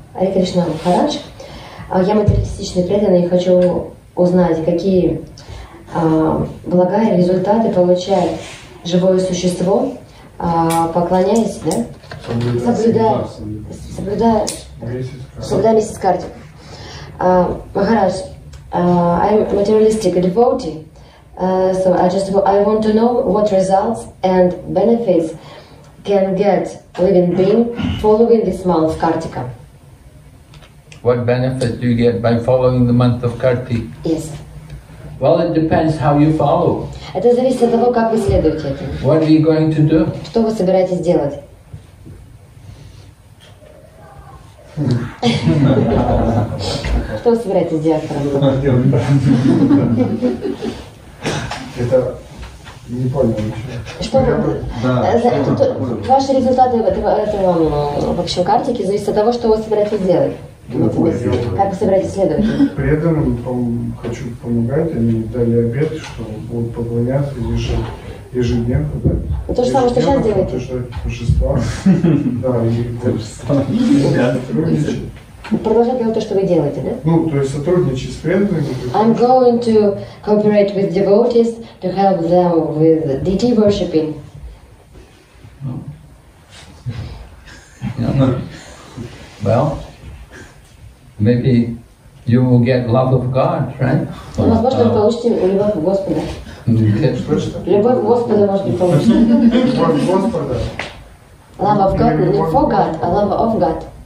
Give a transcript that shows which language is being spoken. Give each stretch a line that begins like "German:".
Russian: Аре Кришна Махарадж, я материалистичный преданный и хочу узнать, какие блага и результаты получает живое существо, поклоняясь, да? Соблюдая миссис Карти.
English: Махарадж, I'm a materialistic devotee, so I want to know what results and benefits can get living being following this month of Kartika. What benefit do you get by following the month of Kartika? Yes. Well, it depends how you follow.
Russian: Это зависит от того, как вы следуете этому.
English: What are you going to do?
Russian: Что вы собираетесь делать? Что вы собираетесь делать, правда? Это... Не понял ничего. Ваши результаты в общем картике зависят от того, что вы собираетесь делать. Как вы собираетесь следовать? Преданным хочу помогать, они дали обет, что будут поклоняться ежедневно. Да? То же самое, что сейчас делаете? Божества. Да, и продолжать делать то, что вы делаете, да? Ну, то есть сотрудничать с преданными.
English: I'm going to cooperate with devotees to help them with deity worshiping. Well, maybe you will get love of God, right?
Russian: Возможно, вы получите любовь к Господа. Любовь к Господу можно получить. Любовь к Господа.
English: Love of God, not for God, а love of God.